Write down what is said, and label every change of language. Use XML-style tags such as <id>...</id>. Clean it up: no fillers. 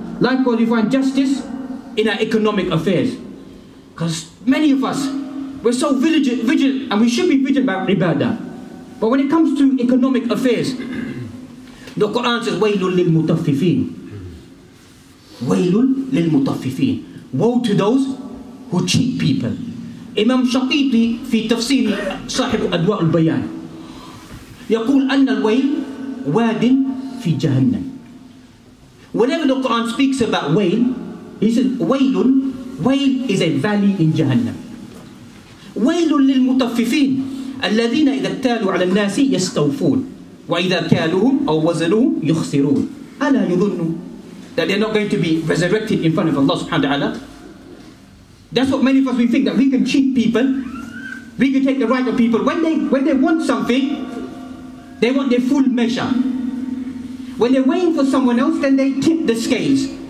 <en>Likewise, we find justice in our economic affairs. Because many of us, we're so vigilant, and we should be vigilant about ibadah. But when it comes to economic affairs, the Quran says,</en> <ar>"Waylul lil mutaffifin." Waylul lil mutaffifin.</ar> <en>Woe to those who cheat people.</en> <ar>Imam Shaqiti fi tafsir sahib adwa al bayan. يقول أن الويل واد في جهنم.</ar> <en>Whenever the Quran speaks about wail, he says wail. Wail is a valley in Jahannam.</en> <ar>ويل للمتففين الذين إذا اكتالوا على الناس يستوفون وإذا كالوهم أو وزنوهم يخسرون. ألا يظن</ar> <en>that they're not going to be resurrected in front of Allah subhanahu wa ta'ala? That's what many of us, we think that we can cheat people, we can take the right of people when they want something. They want their full measure. When they're waiting for someone else, then they tip the scales.</en>